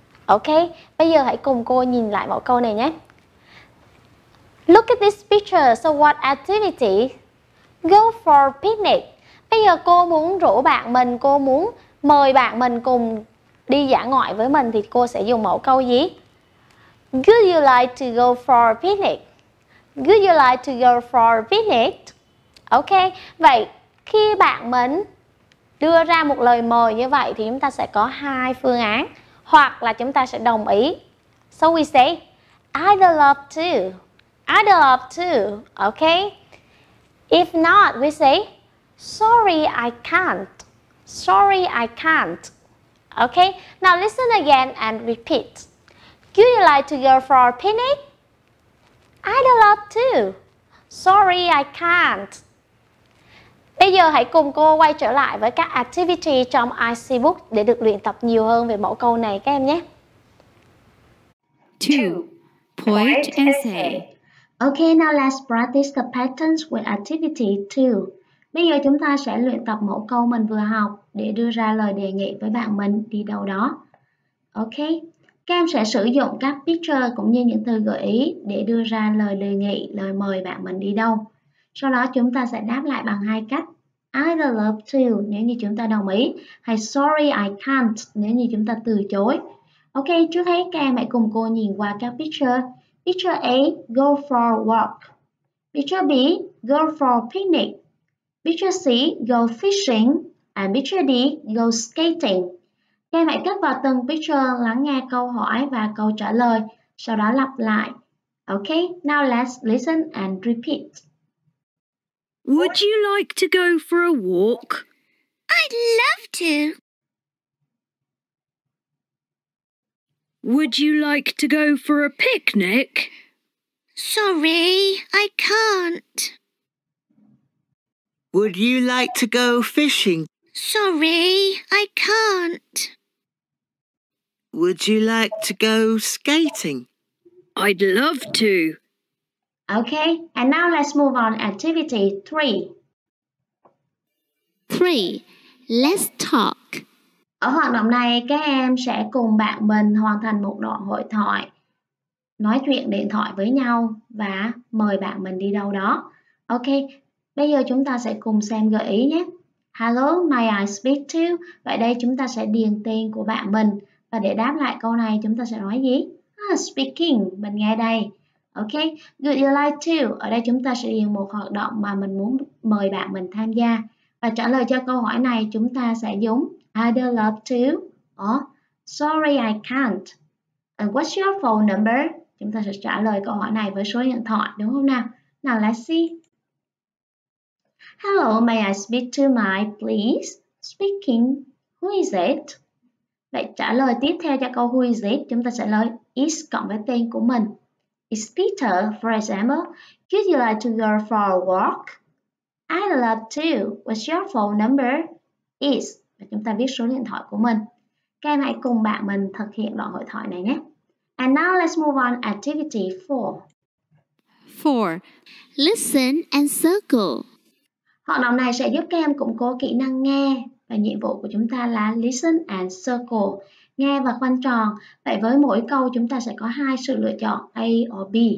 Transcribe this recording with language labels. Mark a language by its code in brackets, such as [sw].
[vi] Ok, bây giờ hãy cùng cô nhìn lại mẫu câu này nhé. [en] Look at this picture, so what activity? Go for picnic. [vi] Bây giờ cô muốn rủ bạn mình, cô muốn mời bạn mình cùng đi dã ngoại với mình thì cô sẽ dùng mẫu câu gì? [en] Would you like to go for a picnic? Would you like to go for a picnic? [vi] Ok, vậy khi bạn mình đưa ra một lời mời như vậy thì chúng ta sẽ có hai phương án, hoặc là chúng ta sẽ đồng ý. [en] So we say, I'd love to. I'd love to. Ok. If not, we say, sorry, I can't. Sorry, I can't. Ok, now listen again and repeat. Would you like to go for a picnic? I'd love to. Sorry, I can't. [vi] Bây giờ hãy cùng cô quay trở lại với các activity trong IC Book để được luyện tập nhiều hơn về mẫu câu này các em nhé. [en] 2. Point essay. Okay, now let's practice the patterns with activity 2. [vi] Bây giờ chúng ta sẽ luyện tập mẫu câu mình vừa học để đưa ra lời đề nghị với bạn mình đi đâu đó. Okay. Các em sẽ sử dụng các picture cũng như những từ gợi ý để đưa ra lời đề nghị, lời mời bạn mình đi đâu. Sau đó chúng ta sẽ đáp lại bằng hai cách. [en] I'd love to [vi] nếu như chúng ta đồng ý, hay [en] sorry I can't [vi] nếu như chúng ta từ chối. Ok, trước hết các em hãy cùng cô nhìn qua các picture. [en] Picture A, go for a walk. Picture B, go for a picnic. Picture C, go fishing. And picture D, go skating. [vi] Các em hãy cất vào từng picture, lắng nghe câu hỏi và câu trả lời, sau đó lặp lại. [en] Ok, now let's listen and repeat. Would you like to go for a walk? I'd love to. Would you like to go for a picnic? Sorry, I can't. Would you like to go fishing? Sorry, I can't. Would you like to go skating? I'd love to. Okay, and now let's move on to activity 3. 3. Let's talk. [vi] Ở hoạt động này, các em sẽ cùng bạn mình hoàn thành một đoạn hội thoại, nói chuyện điện thoại với nhau và mời bạn mình đi đâu đó. Okay, bây giờ chúng ta sẽ cùng xem gợi ý nhé. [en] Hello, may I speak to? [vi] Vậy đây chúng ta sẽ điền tên của bạn mình. Và để đáp lại câu này, chúng ta sẽ nói gì? [en] Speaking, [vi] mình nghe đây. [en] Ok, would you like to? [vi] Ở đây chúng ta sẽ điền một hoạt động mà mình muốn mời bạn mình tham gia. Và trả lời cho câu hỏi này, chúng ta sẽ dùng [en] I'd love to, or sorry I can't. And what's your phone number? [vi] Chúng ta sẽ trả lời câu hỏi này với số điện thoại, đúng không nào? [en] Now let's see. Hello, may I speak to my please? Speaking, who is it? [vi] Vậy trả lời tiếp theo cho câu [en] who is it, [vi] chúng ta sẽ lấy is cộng với tên của mình. [en] Is Peter, for example, could you like to go for a walk? I'd love to. What's your phone number? Is. [vi] Và chúng ta viết số điện thoại của mình. Các em hãy cùng bạn mình thực hiện đoạn hội thoại này nhé. [en] And now let's move on activity 4. 4. Listen and circle. [vi] Hoạt động này sẽ giúp các em củng cố kỹ năng nghe. Và nhiệm vụ của chúng ta là [en] listen and circle, [vi] nghe và khoanh tròn. Vậy với mỗi câu chúng ta sẽ có hai sự lựa chọn A or B.